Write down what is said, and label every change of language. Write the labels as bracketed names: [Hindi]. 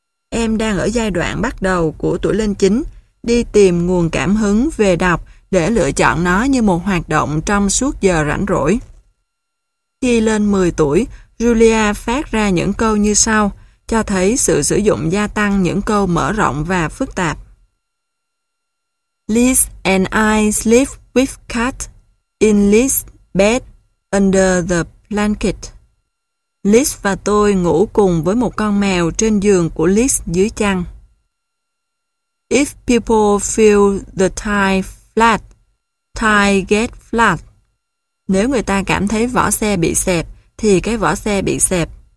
[Vietnamese] Em đang ở giai đoạn bắt đầu của tuổi lên 9, đi tìm nguồn cảm hứng về đọc để lựa chọn nó như một hoạt động trong suốt giờ rảnh rỗi. Khi lên 10 tuổi, Julia phát ra những câu như sau, cho thấy sự sử dụng gia tăng những câu mở rộng và phức tạp. [English] Liz and I sleep with Kat in Liz's bed under the blanket. [Vietnamese] Liz và tôi ngủ cùng với một con mèo trên giường của Liz dưới chăn. [English] If people feel the tie flat, tie get flat. [Vietnamese] Nếu người ta cảm thấy vỏ xe bị xẹp, thì cái vỏ xe bị xẹp.